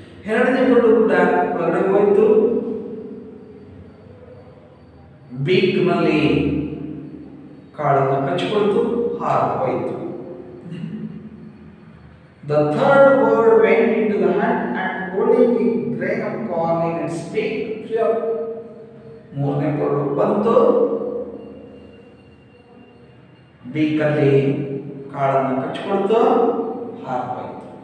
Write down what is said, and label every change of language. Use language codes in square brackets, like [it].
[kn] ಎರಡನೇ ಬರ್ಡ್ ಕೂಡ ಹೊರಗಡೆ ಹೋಯ್ತು, ಬೀಕ್ನಲ್ಲಿ ಕಾಳನ್ನು ಕಚ್ಚಿಕೊಳ್ತು ಹಾರು ಹೋಯ್ತು. [en] The third bird went into the hut and holding a grain of corn in its beak flew out. [kn] ಮೂರನೇ ಬರ್ಡ್ ಬಂತು, ಬೀಕಲ್ಲಿ ಕಾಳನ್ನು ಕಚ್ಚಿಕೊಳ್ತು ಹಾರು ಹೋಯ್ತು.